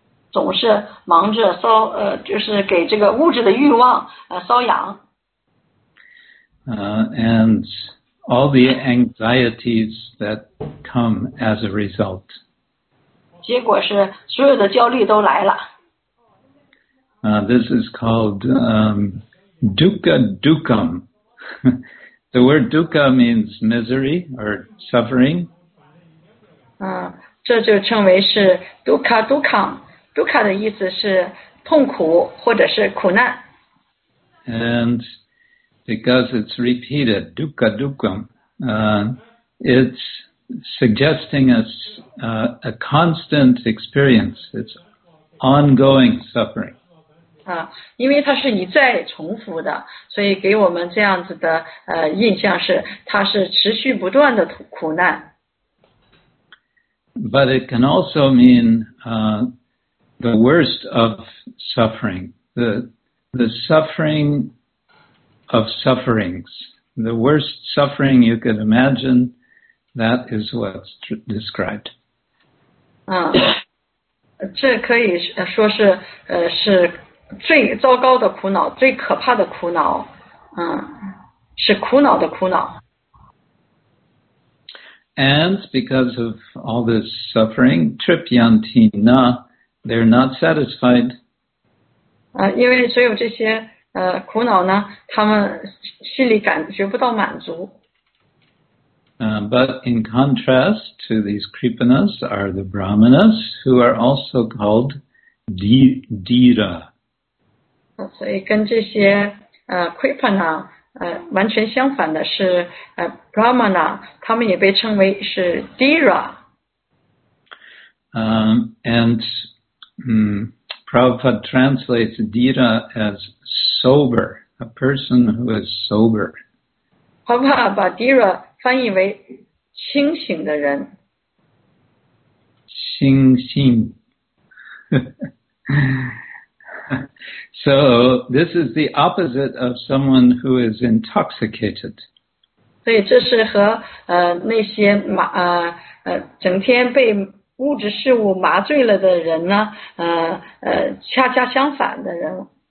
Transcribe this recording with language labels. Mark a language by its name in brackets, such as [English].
[Chinese] 总是忙着搔，就是给这个物质的欲望搔痒。 [English] And all the anxieties that come as a result. [Chinese] 结果是所有的焦虑都来了。 [English] This is called dukkha dukkham. The word dukkha means misery or suffering. [Chinese] 这就称为是 dukkha dukkham. Dukkha 的意思是痛苦或者是苦难。 [English] And because it's repeated, dukkha dukkham, it's suggesting a constant experience. It's ongoing suffering. [Chinese] 因为它是一再重复的，所以给我们这样子的印象是它是持续不断的苦难。 [English] But it can also mean the worst of suffering, the suffering of sufferings, the worst suffering you could imagine, that is what's described. [Chinese] 这可以说是是最糟糕的苦恼，最可怕的苦恼，是苦恼的苦恼。 [English] And because of all this suffering, Tripyantina, they're not satisfied. [Chinese] 因为所有这些苦恼呢，他们心里感觉不到满足。 [English] But in contrast to these Kripanas are the Brahmanas, who are also called Dhira. [Chinese] 所以跟这些Kripana 完全相反的是Brahmana, 他们也被称为是 Dhira. [English] Prabhupada translates Dhira as sober, a person who is sober. [Chinese] Prabhupada 把 Dhira 翻译为清醒的人。清醒。 [English] So this is the opposite of someone who is intoxicated. [Chinese] 所以这是和那些整天被物质事物麻醉了的人呢，恰恰相反的人。